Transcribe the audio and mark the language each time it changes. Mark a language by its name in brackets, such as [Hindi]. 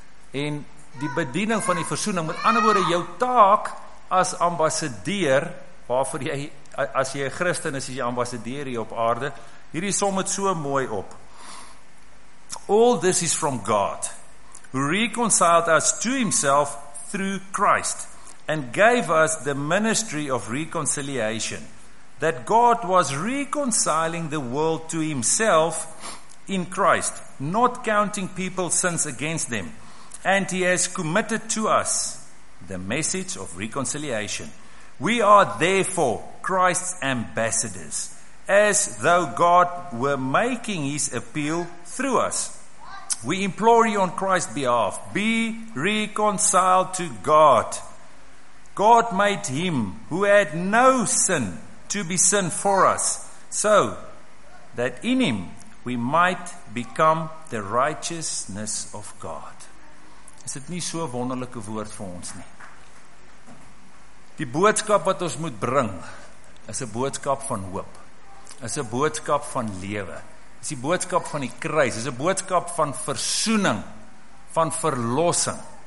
[Afrikaans] En die bediening van die versoening, met ander woorde, jou taak as ambassadeur, waarvoor jy, as jy 'n Christen is, is jy ambassadeur hier op aarde, hierdie som het so mooi op. [English] All this is from God, who reconciled us to himself through Christ, and gave us the ministry of reconciliation, that God was reconciling the world to himself in Christ, not counting people's sins against them, and he has committed to us the message of reconciliation. We are therefore Christ's ambassadors, as though God were making his appeal through us. We implore you on Christ's behalf, be reconciled to God. God made him who had no sin to be sin for us, so that in him we might become the righteousness of God. [Afrikaans] Is dit nie so 'n wonderlike woord vir ons nie. Die boodskap wat ons moet bring, is 'n boodskap van hoop, is 'n boodskap van lewe, is die boodskap van die kruis, is 'n boodskap van versoening, van verlossing.